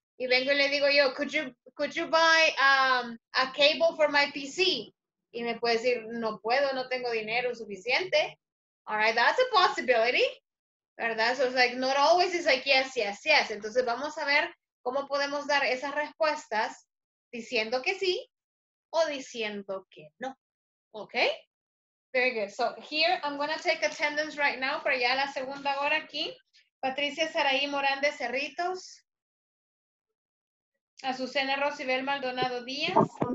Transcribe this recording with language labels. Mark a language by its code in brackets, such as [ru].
[es] Y vengo y le digo yo, [en] could you buy a cable for my PC? [es] Y me puede decir, no puedo, no tengo dinero suficiente. [en] All right, that's a possibility. ¿Verdad? So it's like, not always is like, yes, yes, yes. [es] Entonces vamos a ver cómo podemos dar esas respuestas diciendo que sí o diciendo que no. [en] Okay? Very good. So here I'm going to take attendance right now [es] para ya la segunda hora aquí. Patricia Saraí Morán de Cerritos. Azucena Rocibel Maldonado Díaz.